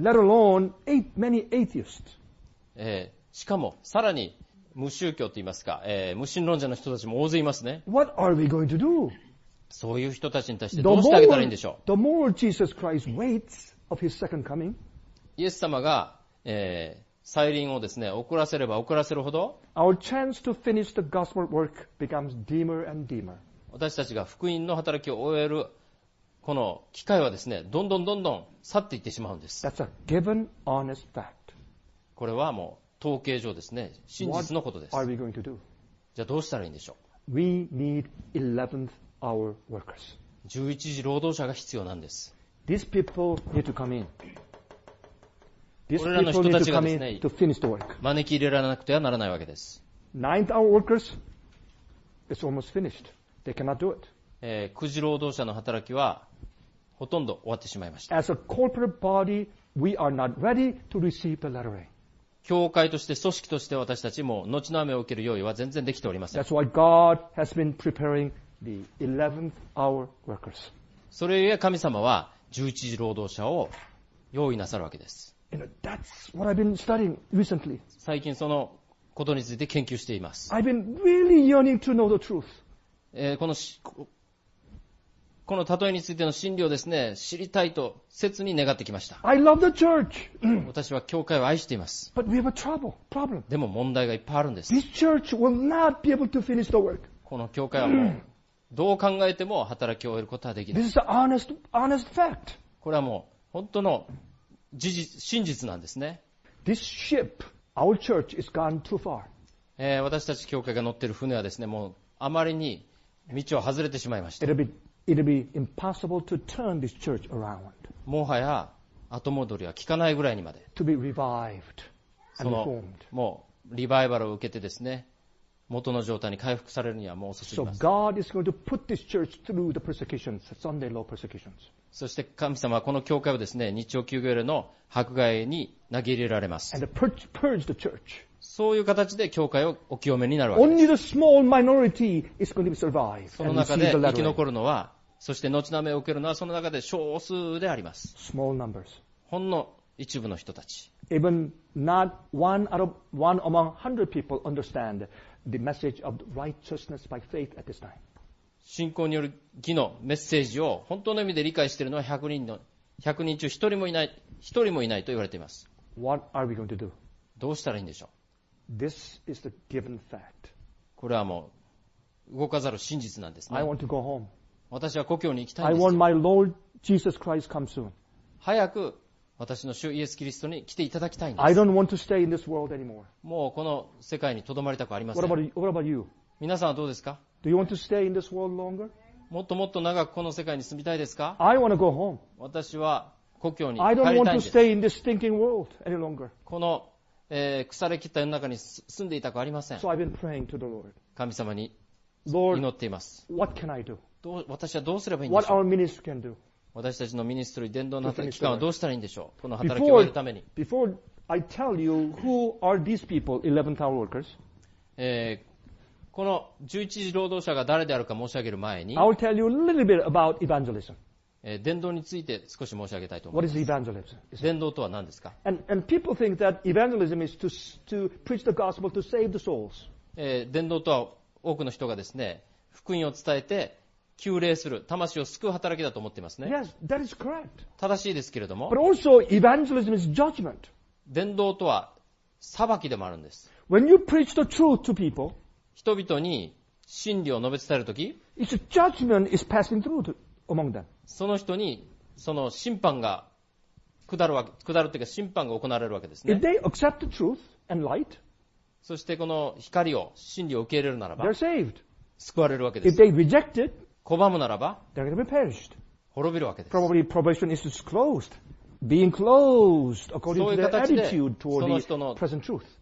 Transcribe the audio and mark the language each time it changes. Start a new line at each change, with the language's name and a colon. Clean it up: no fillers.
English: Let alone many atheists.
Japanese: しかもさらに無宗教といいますか、無神論者の人たちも大勢いますね。
English: What are we going to do?
Japanese: そういう人たちに対してどうしてあげたらいいんでしょう。
English: The more Jesus Christ waits of his second coming,
Japanese: イエス様が、再臨をですね、遅らせれば遅らせるほど、
English: Our chance to finish the gospel work becomes dimmer and dimmer.
Japanese: 私たちが福音の働きを終えるこの機会はですね、どんどんどんどん去っていってしまうんです。
English: That's a given honest fact.
Japanese: これはもう統計上ですね、真実のことです。
English: What are we going to do?
Japanese: じゃあどうしたらいいんでしょう。
English: We need 11th hour workers.
Japanese: 11時労働者が必要なんです。
English: These people need to come in. These people need to come in to finish the work.
Japanese: 招き入れられなくてはならないわけです。
English: 9th hour workers, it's almost finished. They cannot do it.
Japanese: 9時労働者の働きはほとんど終わってしまいました。
English: As a corporate body, we are not ready to receive the latter rain.
Japanese: 教会として、組織として私たちも後の雨を受ける用意は全然できておりません。
English: That's why God has been preparing the 11th hour workers.
Japanese: それゆえ神様は11時労働者を用意なさるわけです。
English: You know, that's what I've been studying recently.
Japanese: 最近そのことについて研究しています。
English: I've been really yearning to know the truth.
Japanese: この例えについての真理をですね、知りたいと切に願ってきました。
English: I love the church.
Japanese: 私は教会を愛しています。
English: But we have a trouble, problem.
Japanese: でも問題がいっぱいあるんです。
English: This church will not be able to finish the work.
Japanese: この教会はもうどう考えても働きを終えることはできない。
English: This is an honest fact.
Japanese: これはもう本当の事実、真実なんですね。
English: This ship, our church, is gone too far.
Japanese: 私たち教会が乗っている船はですね、もうあまりに道を外れてしまいました。
English: It'll be impossible to turn this church around.
Japanese: もはや後戻りは効かないぐらいにまで。
English: To be revived and reformed.
Japanese: もうリバイバルを受けてですね、元の状態に回復されるにはもう遅すぎます。
English: So God is going to put this church through the persecutions, Sunday law persecutions.
Japanese: そして神様はこの教会をですね、日曜休業の迫害に投げ入れられます。
English: And purge the church.
Japanese: そういう形で教会をお清めになるわけです。
English: Only the small minority is going to survive.
Japanese: その中で生き残るのは、そして後の雨を受けるのはその中で少数であります。
English: Small numbers.
Japanese: ほんの一部の人たち。
English: Even not one out of one among 100 people understand the message of righteousness by faith at this time.
Japanese: 信仰による義のメッセージを本当の意味で理解しているのは100人中1人もいないと言われています。
English: What are we going to do?
Japanese: どうしたらいいんでしょう。
English: This is the given fact.
Japanese: これはもう動かざる真実なんですね。
English: I want to go home.
Japanese: 私は故郷に行きたいんです。
English: I want my Lord Jesus Christ come soon.
Japanese: 早く私の主イエスキリストに来ていただきたいんです。
English: I don't want to stay in this world anymore.
Japanese: もうこの世界にとどまりたくありません。
English: What about you?
Japanese: 皆さんはどうですか？
English: Do you want to stay in this world longer?
Japanese: もっともっと長くこの世界に住みたいですか？
English: I want to go home.
Japanese: 私は故郷に帰りたいんです。
English: I don't want to stay in this stinking world any longer.
Japanese: この、腐れ切った世の中に住んでいたくありません。
English: So I've been praying to the Lord.
Japanese: 神様に祈っています。
English: Lord, what can I do?
Japanese: どう、私はどうすればいいんでしょう？
English: What our ministry can do?
Japanese: 私たちのミニストリー、伝道の機関はどうしたらいいんでしょう？この働きを終えるために。
English: Before I tell you who are these people, 11th hour workers.
Japanese: この11時労働者が誰であるか申し上げる前に、
English: I'll tell you a little bit about evangelism.
Japanese: 伝道について少し申し上げたいと思います。
English: What is evangelism?
Japanese: 伝道とは何ですか？
English: And people think that evangelism is to preach the gospel to save the souls.
Japanese: 伝道とは多くの人がですね、福音を伝えて、救霊する、魂を救う働きだと思っていますね。
English: Yes, that is correct.
Japanese: 正しいですけれども。
English: But also, evangelism is judgment.
Japanese: 伝道とは裁きでもあるんです。
English: When you preach the truth to people,
Japanese: 人々に真理を述べ伝えるとき、
English: It's a judgment is passing through to, among them.
Japanese: その人にその審判が下るわけ、下るというか審判が行われるわけですね。
English: If they accept the truth and light,
Japanese: そしてこの光を、真理を受け入れるならば、
English: they're saved.
Japanese: 救われるわけです。
English: If they reject it,
Japanese: 拒むならば、滅びるわけです。
English: Probably probation is closed, being closed according to their attitude toward the present truth.